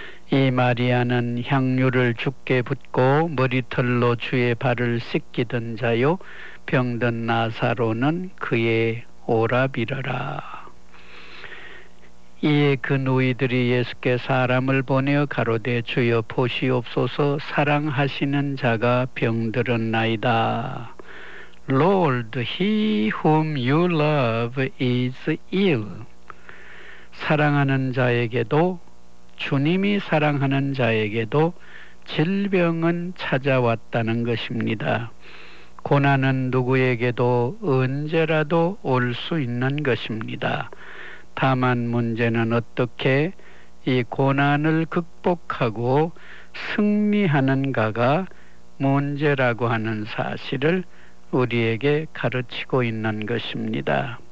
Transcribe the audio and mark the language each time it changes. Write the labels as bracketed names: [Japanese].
[Korean] 이 마리아는 향유를 주께 붓고 머리털로 주의 발을 씻기던 자요 병든 나사로는 그의 오라비러라. 이에 그 누이들이 예수께 사람을 보내어 가로되 주여 보시옵소서 사랑하시는 자가 병들었나이다. [English] Lord, he whom you love is ill. [Korean] 사랑하는 자에게도 주님이 사랑하는 자에게도 질병은 찾아왔다는 것입니다. 고난은 누구에게도 언제라도 올 수 있는 것입니다. 다만 문제는 어떻게 이 고난을 극복하고 승리하는가가 문제라고 하는 사실을 우리에게 가르치고 있는 것입니다.